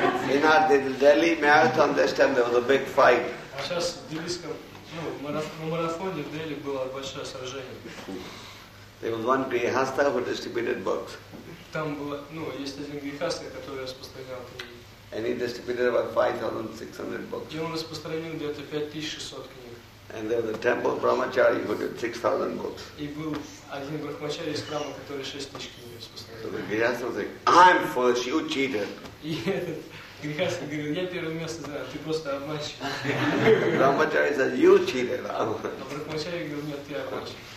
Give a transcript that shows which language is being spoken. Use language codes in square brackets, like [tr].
[en] In our Delhi marathon this time there was a big fight. [ru] Сейчас в Дилиском, ну, на марафоне в Дели было большое сражение. [en] There was one Grihastha who distributed books. [ru] Там было, ну, есть один грехастый, который распространял книги. [en] And he distributed about 5,600 books. [ru] И он распространил где-то 5,600 книг. [en] And there was a temple brahmachari who did 6,000 books. [ru] И был один брахмачари из храма, который 6,000 книг распространил. [en] So the grihastha was like, I'm first, you cheated. [ru] И этот грехастый говорил, я первое место знаю, ты просто обманщик. [en] Brahmachari said, you cheated. [ru] А брахмачари говорил, нет, ты обманщик.